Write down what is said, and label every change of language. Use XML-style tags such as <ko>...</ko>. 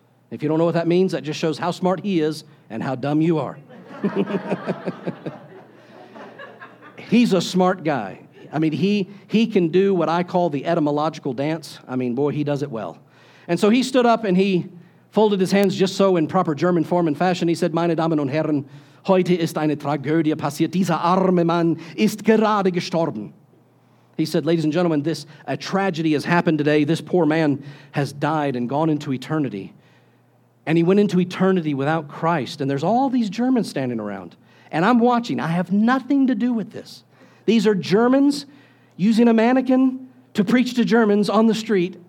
<en>If you don't know what that means, that just shows how smart he is and how dumb you are. He's a smart guy. I mean, he can do what I call the etymological dance. I mean, boy, he does it well. And so he stood up and he folded his hands just so in proper German form and fashion. He said,</en> <de>meine Damen und Herren, heute ist eine Tragödie passiert. Dieser arme Mann ist gerade gestorben.</de> <en>He said, ladies and gentlemen, a tragedy has happened today. This poor man has died and gone into eternity. And he went into eternity without Christ. And there's all these Germans standing around. And I'm watching. I have nothing to do with this. These are Germans using a mannequin to preach to Germans on the street.</en>